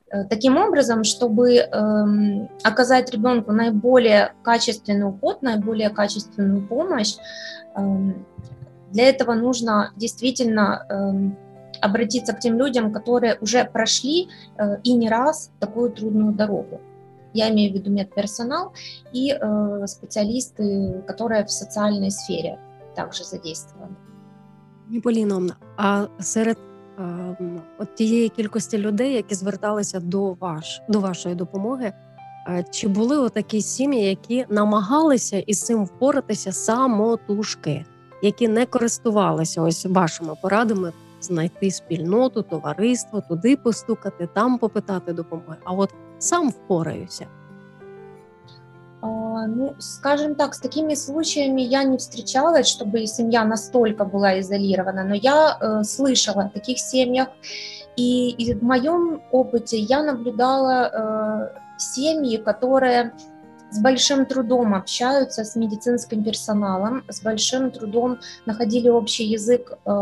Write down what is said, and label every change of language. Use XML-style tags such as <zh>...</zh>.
<ru>Таким образом, чтобы оказать ребенку наиболее качественный уход, наиболее качественную помощь, для этого нужно действительно обратиться к тем людям, которые уже прошли и не раз такую трудную дорогу. Я имею в виду медперсонал и специалисты, которые в социальной сфере также задействованы.</ru> <uk>Поліновна, а серед от тієї кількості людей, які зверталися до вашої допомоги, чи були отакі сім'ї, які намагалися із цим впоратися самотужки, які не користувалися ось вашими порадами? Знайти спільноту, товариство, туди постукати, там попитати допомоги. А от сам впораюся.</uk> <ru>Ну, скажем так, с такими случаями я не встречалась, чтобы семья настолько была изолирована, но я слышала о таких семьях, и в моем опыте я наблюдала семьи, которые с большим трудом общаются с медицинским персоналом, с большим трудом находили общий язык,</ru>